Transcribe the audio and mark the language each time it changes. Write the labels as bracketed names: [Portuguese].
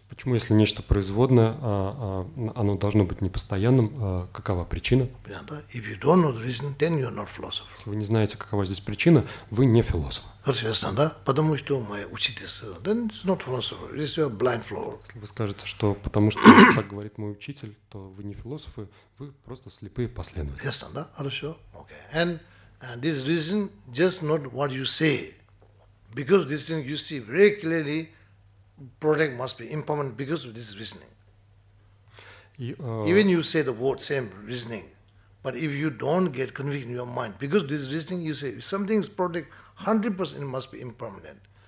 [Russian] Почему, если нечто производное, оно должно быть непостоянным? Какова причина? [English] If you don't know the reason, then you're not philosopher. [Russian] Если вы не знаете, какова здесь причина, вы не философ. Соответственно, да? Потому что мы учитель, [English] then it's not philosopher. It's a blind follower. [Russian] Если вы скажете, что потому что так говорит мой учитель, то вы не философы, вы просто слепые последователи. Ясно, да? Хорошо. Okay. [English] And this reason just not what you say. Because this thing you see very clearly, product must be impermanent because of this reasoning. Even you say the word same reasoning, but if you don't get conviction in your mind, because this reasoning you say if something is product 100% must be impermanent.